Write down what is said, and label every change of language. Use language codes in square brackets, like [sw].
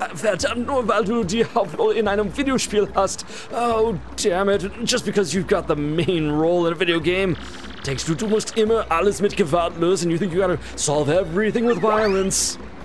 [de] Verdammt, nur weil du die Hauptrolle in einem Videospiel hast. [en] Oh, damn it. Just because you've got the main role in a video game. [de] Denkst du, du musst immer alles mit Gewalt lösen? [en] You think you gotta solve everything with violence?